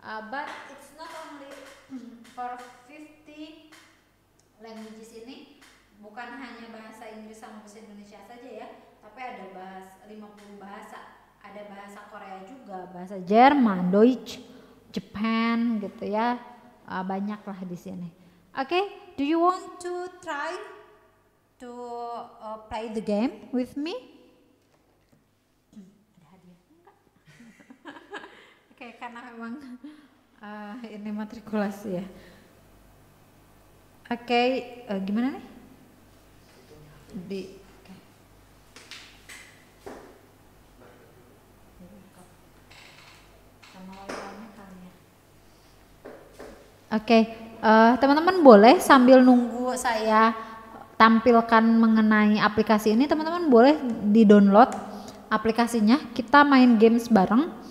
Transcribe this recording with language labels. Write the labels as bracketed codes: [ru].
[en] But it's not only for 50 languages ini. [id] Bukan hanya bahasa Inggris sama bahasa Indonesia saja ya, tapi ada bahasa 50 bahasa, ada bahasa Korea juga, bahasa Jerman, Deutsch, Japan gitu ya, banyak lah di sini. [en] Okay, do you want to try to play the game with me? [id] Ada hadiah enggak? Okay, karena memang ini matrikulasi ya. Okay, gimana nih? Di oke, teman-teman boleh sambil nunggu saya tampilkan mengenai aplikasi ini, teman-teman boleh di download aplikasinya, kita main games bareng